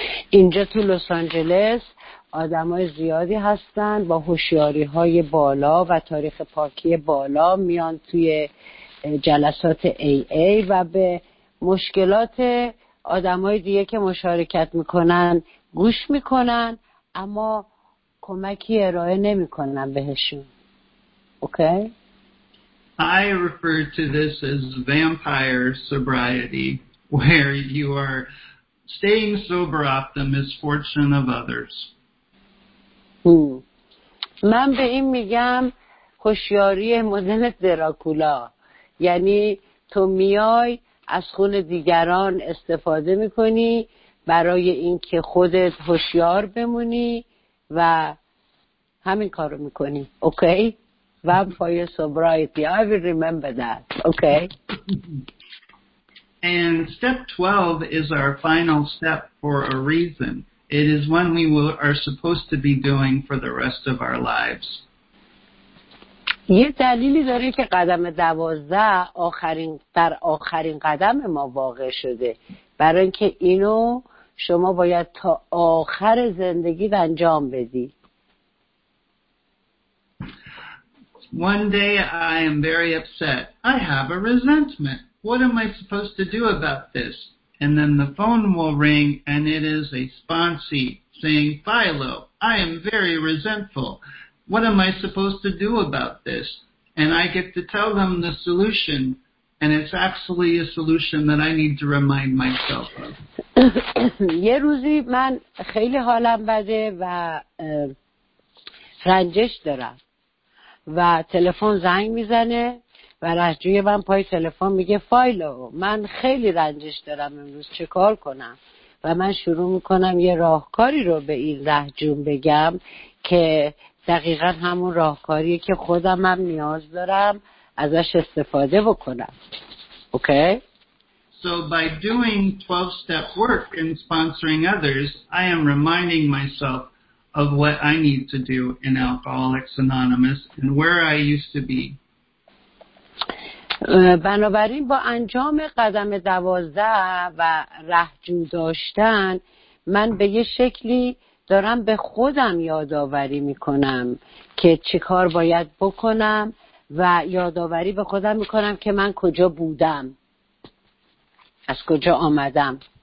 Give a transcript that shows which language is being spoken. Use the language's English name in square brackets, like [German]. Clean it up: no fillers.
[Persian] اینجا تو لس آنجلس آدمای زیادی هستن با هوشیاری‌های بالا و تاریخ پاکی بالا میان توی جلسات AA و به مشکلات آدمای دیگه که مشارکت میکنن گوش میکنن اما کمکی ارائه نمیکنن بهشون. اوکی؟ [English] I refer to this as vampire sobriety, where you are staying sober off the misfortune of others. [Persian] من به این میگم هوشیاری مدل دراکولا، یعنی تو میای از خون دیگران استفاده میکنی برای اینکه خودت هوشیار بمونی و همین کارو میکنی. اوکی؟ [English] Vampire sobriety. I will remember that. Okay. And step 12 is our final step for a reason. It is one we will, are supposed to be doing for the rest of our lives. [Persian] یه دلیلی داره که قدم 12 آخرین در آخرین قدم ما واقع شده. برای اینکه اینو شما باید تا آخر زندگی انجام بدی. [English] One day I am very upset. I have a resentment. What am I supposed to do about this? And then the phone will ring and it is a sponsee saying, Philo, I am very resentful. What am I supposed to do about this? And I get to tell them the solution and it's actually a solution that I need to remind myself of. [Persian] یه روزی من خیلی حالم بده و رنجش دارم. و تلفن زنگ میزنه و رهجوی من پای تلفن میگه فایلو من خیلی رنجش دارم امروز چه کار کنم و من شروع میکنم یه راهکاری رو به این رهجوم بگم که دقیقا همون راهکاریه که خودم هم نیاز دارم ازش استفاده بکنم. اوکی؟ [English] So by doing 12-step work in sponsoring others, I am reminding myself of what I need to do in Alcoholics Anonymous and where I used to be. [Persian] بنابراین با انجام قدم 12 و رهجو داشتن من به یه شکلی دارم به خودم یادآوری میکنم که چه کار باید بکنم و یادآوری به خودم میکنم که من کجا بودم، از کجا آمدم.